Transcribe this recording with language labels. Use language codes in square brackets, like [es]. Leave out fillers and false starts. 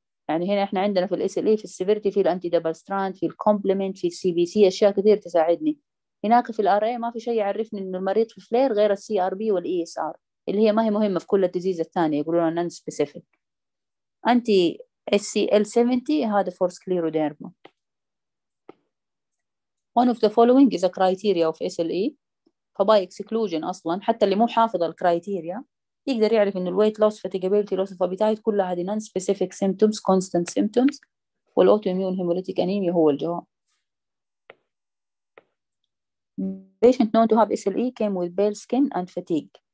[ar] يعني هنا احنا عندنا في الاس ال اي في السيفيرتي في الانتي دبل ستراند في الكومبلمنت في السي بي سي اشياء كثير تساعدني. هناك في الار اي ما في شيء يعرفني انه المريض في فلير غير السي ار بي والاي اس ار اللي هي ما هي مهمه في كل الديزيز الثانيه، يقولون [en] Non specific. Anti S C L 70 هذا for scleroderma. One of the following is a criteria of SLE. [ar] فباي اكسكلوجن اصلا حتى اللي مو حافظ الكرايتيريا يقدر يعرف ان الويت لوس فاتيجابيلتي لوس فابيتايت كلها هذه [en] non specific symptoms constant symptoms, [ar] والاوتو اميون هيموليتيك انيميا هو الجواب. [en] Patient known to have SLE came with pale skin and fatigue.